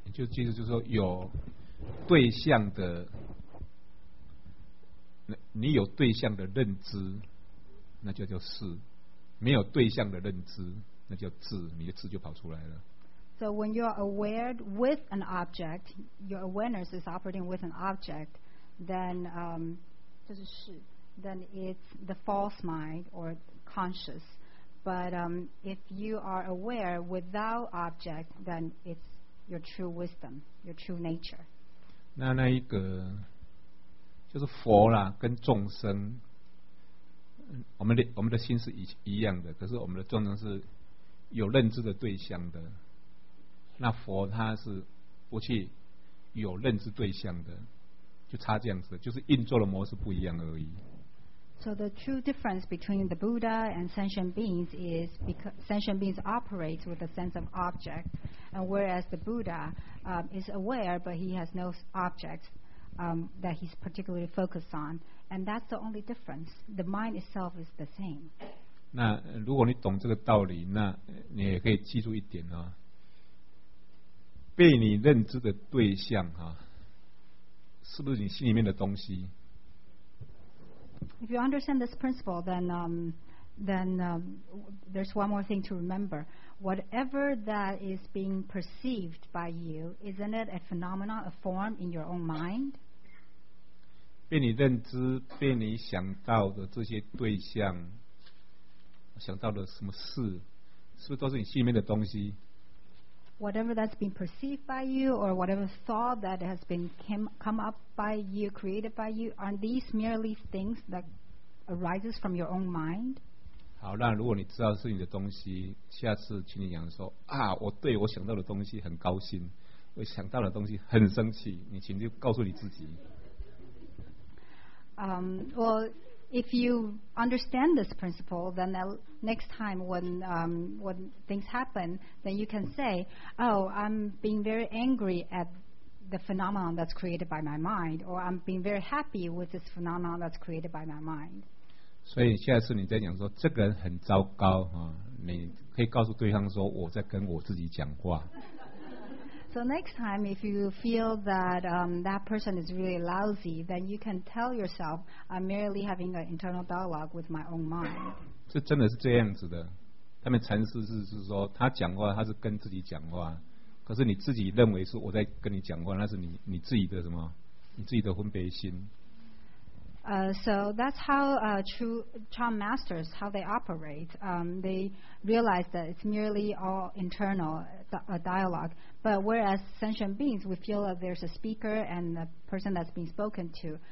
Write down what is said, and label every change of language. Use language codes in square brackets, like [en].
[zh] 就是说有对象的，你有对象的认知，那就叫是。没有对象的认知，那叫智，你的智就跑出来了。 [en] So when you are aware with an object, your awareness is operating with an object, then [zh] 就是是 [en] then it's the false mind or conscious. But if you are aware without object, then it's your true wisdom, your true nature. [zh] 那一个就是佛啦，跟众生，我们的心是一样的，可是我们的众生是有认知的对象的。那佛他是不去有认知对象的，就差这样子，就是运作的模式不一样而已。 [en] So the true difference between the Buddha and sentient beings is because sentient beings operate with a sense of object, and whereas the Buddha is aware, but he has no object that he's particularly focused on, and that's the only difference. The mind itself is the same. [zh] 那如果你懂这个道理，那你也可以记住一点哦。被你认知的对象啊，是不是你心里面的东西？ [en] If you understand this principle, then there's one more thing to remember. Whatever that is being perceived by you, isn't it a phenomenon, a form in your own mind? [zh] 被你认知，被你想到的这些对象，想到的什么事，是不是都是你心里面的东西？ [en] Whatever that's been perceived by you, or whatever thought that has been come up by you, created by you, aren't these merely things that arises from your own mind? [zh] 好，那如果你知道是你的东西，下次请你讲说啊，我对我想到的东西很高兴，我想到的东西很生气，你请就告诉你自己。 [en] Well, if you understand this principle, then next time when things happen, then you can say, oh, I'm being very angry at the phenomenon that's created by my mind, or I'm being very happy with this phenomenon that's created by my mind. [zh] 所以下次你在讲说这个人很糟糕啊，你可以告诉对方说我在跟我自己讲话。 [en] So next time, if you feel that that person is really lousy, then you can tell yourself, I'm merely having an internal dialogue with my own mind. [zh] 这真的是这样子的。他们禅师是说，他讲话他是跟自己讲话，可是你自己认为是我在跟你讲话，那是你自己的什么？你自己的分别心。 [en] So that's how true Chan masters, how they operate. They realize that it's merely all internal, a dialogue. But whereas sentient beings, we feel that there's a speaker and a person that's being spoken to.